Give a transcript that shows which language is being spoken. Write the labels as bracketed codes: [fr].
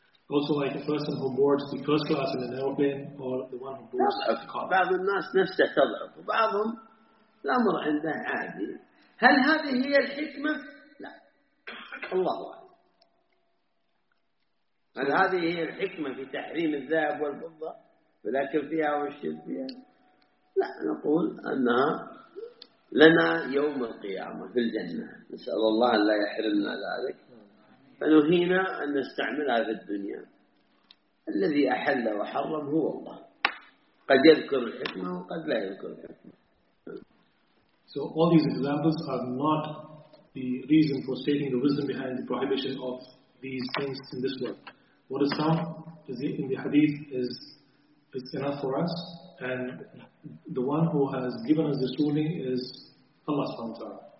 [en] Also, like a person who boards the first class in an airplane or the one who boards the car. [ar] بعض الناس نفسه تضعف وبعضهم الأمر عنده عادي. هل هذه هي الحكمة؟ لا. الله أعلم. هل هذه هي الحكمة في تحريم الذهب والفضة ولكن فيها والشد فيها؟ لا، نقول أنها لنا يوم القيامة في الجنة، نسأل الله أن لا يحرمنا ذلك، فنهينا أن نستعملها في الدنيا. الذي أحل وحرم هو الله، قد يذكر الحكمة وقد لا يذكر الحكمة. [en] So all these examples are not the reason for stating the wisdom behind the prohibition of these things in this world. What is found in the hadith is enough for us, and the one who has given us this ruling is Allah subhanahu wa ta'ala.